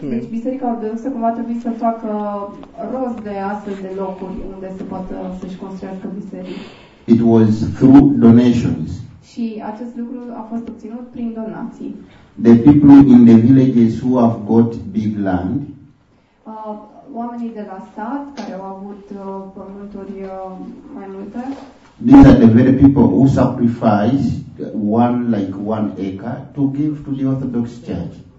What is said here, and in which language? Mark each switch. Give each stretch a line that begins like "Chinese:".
Romanian: Biserica Ortodoxă cumva trebuie să facă rost de astfel de locuri unde se poate să-și construiască biserică.
English: It was through donations.
Romanian: Și acest lucru a fost obținut prin donații.
English: The people in the villages who have got big land.
Romanian: Oamenii de la sat care au avut pământuri mai multe.
English: These are the very people who sacrifice one acre to give to the Orthodox Church.